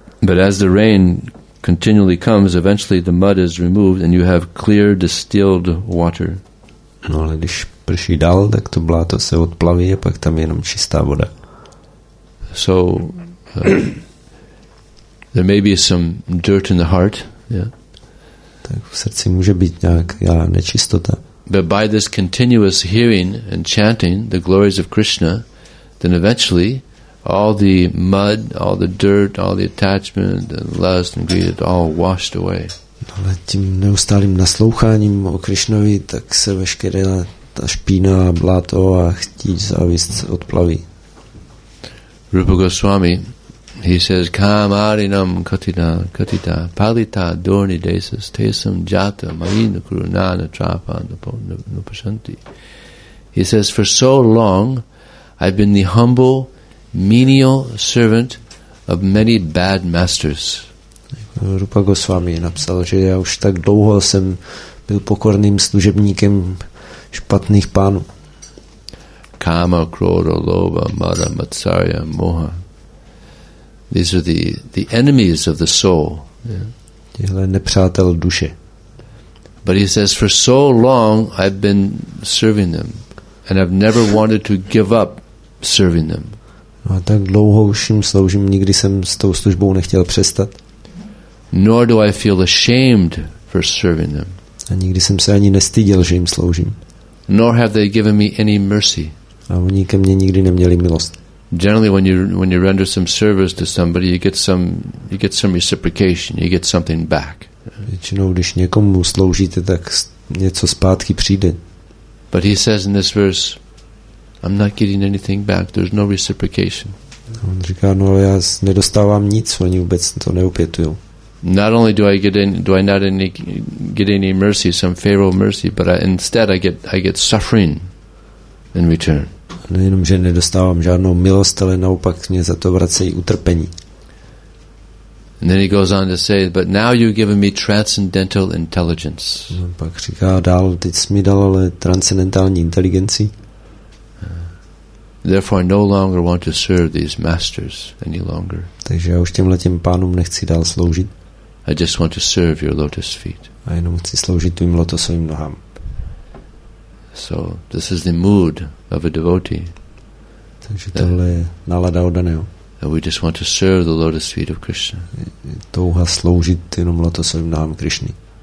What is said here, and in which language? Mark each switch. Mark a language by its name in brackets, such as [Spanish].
[English] But as the rain continually comes, eventually the mud is removed and you have clear distilled water. [Czech] No, ale když prší dál, tak to bláto se odplaví a pak tam je jenom čistá voda. [English] So there may be some dirt in the heart, yeah. [Czech] Tak v srdci může být nějaká nečistota. [English] But by this continuous hearing and chanting the glories of Krishna, then eventually all the mud, all the dirt, all the attachment, the lust and greed, all washed away. [Czech] Ale tím neustálým nasloucháním o Krishnovi, tak se veškerá ta špína, bláto a chtíč, závist odplaví. [English] Rupa Goswami, he says, [Sanskrit] Kamarinam katita, katita, palita, dorni desas, tesam jata, mahinu kuru, nana, trapa, nupashanti. [English] He says, for so long, I've been the humble, menial servant of many bad masters. [Czech] Rupa Goswami napsal, že já už tak dlouho jsem byl pokorným služebníkem špatných pánů. [Sanskrit] Kama, krodo, loba, mada, matsarya, moha. [English] These are the enemies of the soul. [Czech] Tihle nepřátel duše. [English] But he says, for so long I've been serving them and I've never wanted to give up serving them. [Czech] A tak dlouho už jim sloužím, nikdy jsem s tou službou nechtěl přestat. [English] Nor do I feel ashamed for serving them. [Czech] A nikdy jsem se ani nestyděl, že jim sloužím. [English] Nor have they given me any mercy. [Czech] A oni ke mně nikdy neměli milost. [English] Generally, when you render some service to somebody, you get some reciprocation. You get something back. [Czech] Většinou, když někomu sloužíte, tak něco zpátky přijde. [English] But he says in this verse, I'm not getting anything back. There's no reciprocation. [Czech] On říká, no, ale já nedostávám nic. Oni vůbec to neopětují. [English] Not only do I not get any mercy, some favorable mercy, but instead I get suffering in return. [Czech] Nejenom, že nedostávám žádnou milost, ale naopak mě za to vracejí utrpení. [English] And then he goes on to say, but now you've given me transcendental intelligence. [Czech] A pak říká dál, teď jsi mi dal ale transcendentální inteligenci. [English] Therefore I no longer want to serve these masters any longer. [Czech] Takže já už těmhle těm pánům nechci dál sloužit. [English] I just want to serve your lotus feet. [Czech] A jenom chci sloužit tvým lotosovým nohám. [English] So this is the mood of a devotee. [Czech] Takže tohle je nálada oddaného. [English] We just want to serve the lotus feet of Krishna. [Czech] Touha sloužit jenom lotosovým nohám Krishny.